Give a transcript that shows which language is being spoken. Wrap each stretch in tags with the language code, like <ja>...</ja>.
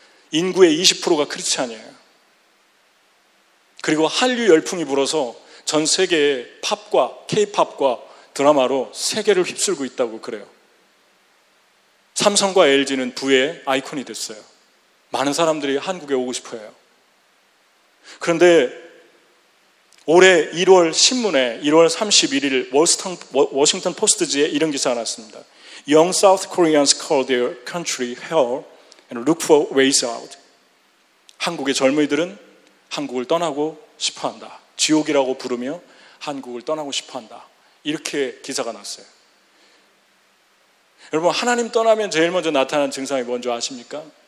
<ko>인구의 20%가 크리스찬이에요. 그리고 한류 열풍이 불어서 전 세계에 팝과 케이팝과 드라마로 세계를 휩쓸고 있다고 그래요. 삼성과 LG는 부의 아이콘이 됐어요. 많은 사람들이 한국에 오고 싶어요. 그런데 올해 1월 신문에 1월 31일 워싱턴 포스트지에 이런 기사가 났습니다.</ko> <en>Young South Koreans call their country hell and look for ways out.</en> <ko>한국의 젊은이들은 한국을 떠나고 싶어한다. 지옥이라고 부르며 한국을 떠나고 싶어한다. 이렇게 기사가 났어요. 여러분 하나님 떠나면 제일 먼저 나타나는 증상이 뭔지 아십니까?</ko>